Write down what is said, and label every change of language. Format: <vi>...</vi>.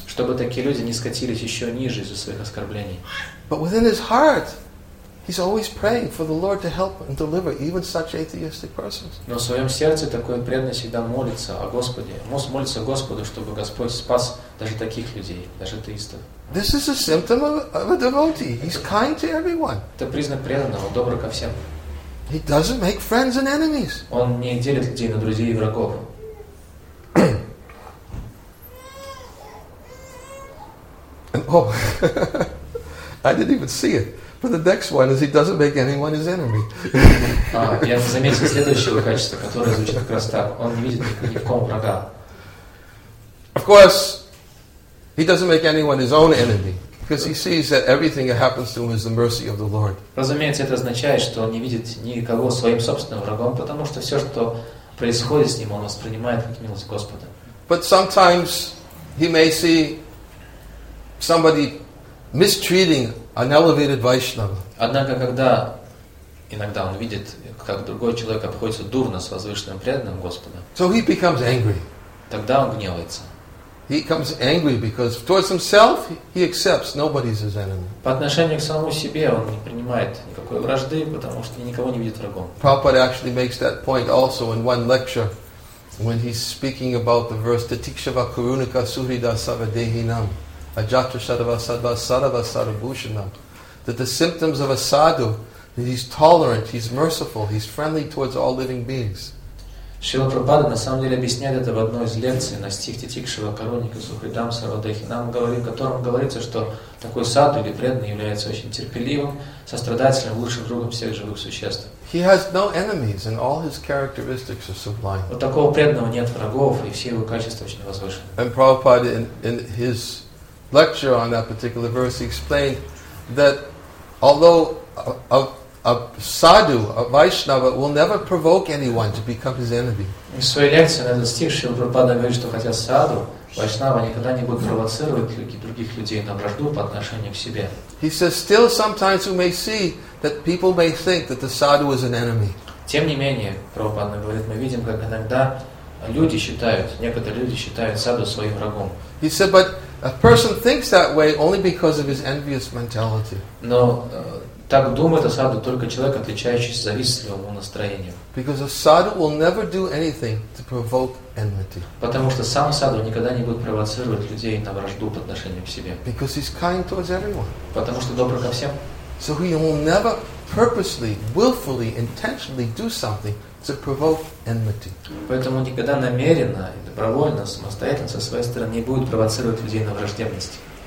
<ru>Чтобы такие люди не скатились еще ниже из-за своих оскорблений.</ru> <en>But within his heart, he's always praying for the Lord to help and deliver even such atheistic persons.</en> <ru>Но в своем сердце такой преданный всегда молится о Господе, молится Господу, чтобы Господь спас даже таких людей, даже атеистов.</ru> <en>This is a symptom of a devotee. He's kind to everyone.</en> <ru>Это признак преданного, добр ко всем.</ru> <en>He doesn't make friends and enemies.</en> <ru>Он не делит людей на друзей и врагов.</ru> <en>I didn't even see it. But the next one is he doesn't make anyone his enemy.</en> <ru>Я заметил следующее качество, которое звучит как раз так. Он не видит ни в ком врага.</ru> <en>Of course, he doesn't make anyone his own enemy, because he sees that everything that happens to him is the mercy of the Lord.</en> <ru>Разумеется, это означает, что он не видит никого своим собственным врагом, потому что все, что происходит с ним, он воспринимает как милость Господа.</ru> <en>But sometimes he may see somebody mistreating an elevated Vaishnava.</en> <ru>Однако, когда иногда он видит, как другой человек обходится дурно с возвышенным преданным Господа,</ru> <en>so he becomes angry.</en> <ru>Тогда он гневается.</ru> <en>He becomes angry because towards himself he accepts nobody's his enemy.</en> <ru>По отношению к самому себе он не принимает никакой вражды, потому что никого не видит врагом.</ru> <en>Prabhupada actually makes that point also in one lecture when he's speaking about the verse Tatikshava Kurunika Suhrida Savadehinam. That the symptoms of a sadhu, that he's tolerant, he's merciful, he's friendly towards all living beings.</en> <ru>Шрила Прабхупада на самом деле объясняет это в одной из лекций на стих Титикшива Каруника Сухридам Сарвадехинам, в котором говорится, что такой садху или преданный является очень терпеливым, сострадательным, лучшим другом всех живых существ.</ru> <en>He has no enemies and all his characteristics are sublime.</en> <ru>У такого преданного нет врагов, и все его качества очень возвышены.</ru> <en>And Prabhupada in his lecture on that particular verse, he explained that although a sadhu, a Vaishnava, will never provoke anyone to become his enemy.</en> <ru>В своей лекции на этот стих Шрила Прабхупада говорит, что хотя саду, Вайшнава никогда не будет провоцировать других людей на вражду по отношению к себе.</ru> <en>He says, still sometimes we may see that people may think that the sadhu is an enemy.</en> <ru>Тем не менее, Прабхупада говорит, мы видим, как иногда люди считают, некоторые люди считают саду своим врагом.</ru> <en>He said, but a person thinks that way only because of his envious mentality.</en> <ru>Но так думает о саду только человек, отличающийся завистливым настроением.</ru> <en>Because a sadhu will never do anything to provoke enmity.</en> <ru>Потому что сам саду никогда не будет провоцировать людей на вражду по отношению к себе.</ru> <en>Because he's kind towards everyone.</en> <ru>Потому что добр ко всем.</ru> <en>So he will never purposely, willfully, intentionally do something to provoke enmity.</en> <ru>Поэтому никогда намеренно, добровольно, самостоятельно со своей стороны не будет провоцировать людей на враждебность.</ru>